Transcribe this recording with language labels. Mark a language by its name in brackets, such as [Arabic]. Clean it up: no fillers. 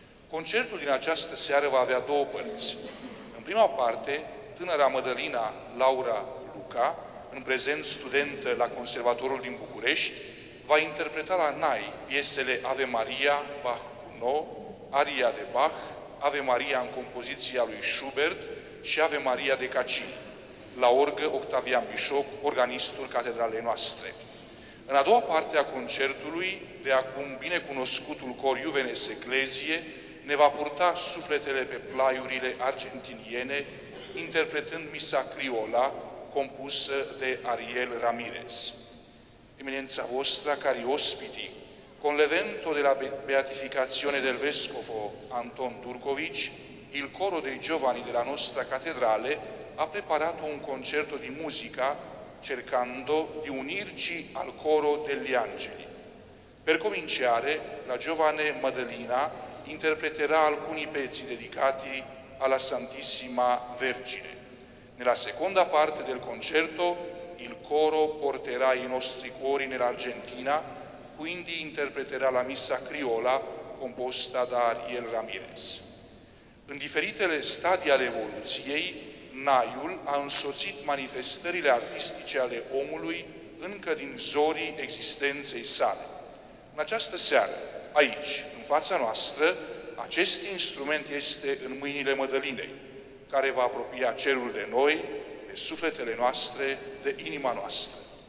[Romanian] Concertul din această seară va avea două părți. În prima parte, tânăra Mădălina Laura Luca, în prezent studentă la Conservatorul din București, va interpreta la NAI piesele Ave Maria, Bach cu nou, Aria de Bach, Ave Maria în compoziția lui Schubert și Ave Maria de Cacini, la orgă Octavian Bișoc, organistul catedralei noastre. În a doua parte a concertului, de acum binecunoscutul cor Juvenes Ecclesiae, ne va purta sufletele pe plaiurile argentiniene, interpretând Misa Criola, compusă de Ariel Ramirez. Eminența voastră, [Italian] cari ospiti, con l'evento della beatificazione del Vescovo Anton Durgovici, il coro dei giovani della nostra cattedrale ha preparato un concerto di musica cercando di unirci al coro degli angeli. Per cominciare, la giovane Madalena interpreterà alcuni pezzi dedicati alla Santissima Vergine. Nella seconda parte del concerto, il coro porterà i nostri cuori nell'Argentina, quindi interpreterà la Missa Criola composta da Ariel Ramirez. [Romanian] In diferitele stadi all'evoluziei, Naiul ha însoțit manifestările artistice ale omului încă din zorii existenței sale. În această seară, aici, în fața noastră, acest instrument este în mâinile Mădălinei, care va apropia cerul de noi, de sufletele noastre, de inima noastră.